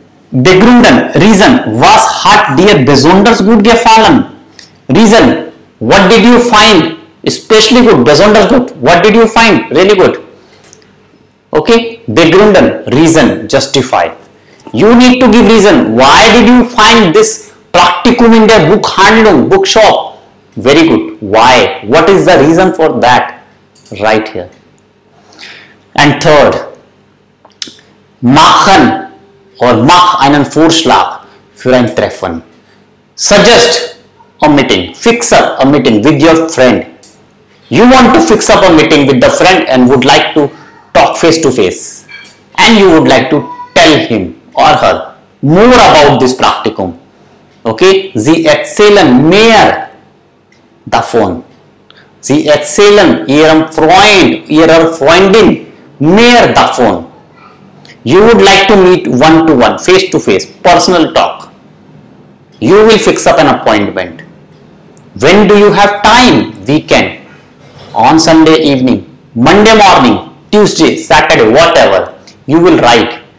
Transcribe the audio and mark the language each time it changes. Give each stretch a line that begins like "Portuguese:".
German: Begründen, reason, was hat dir besonders gut gefallen?
English: Reason, what did you find especially good, besonders good? What did you find really good? Okay, begründen, reason, justify. You need to give reason. Why did you find this practicum in the Buchhandlung, bookshop? Very good. Why? What is the reason for that? Right here. And third,
German: machen or mach einen Vorschlag für ein Treffen.
English: Suggest a meeting. Fix up a meeting with your friend. You want to fix up a meeting with the friend and would like to talk face to face. And you would like to tell him or her more about this practicum.
German: Okay. Sie erzählen mehr davon. Sie erzählen ihrem Freund, ihrer Freundin mehr davon.
English: You would like to meet one to one, face to face, personal talk. You will fix up an appointment. When do you have time? Weekend. On Sunday evening, Monday morning, Tuesday, Saturday, whatever. You will write.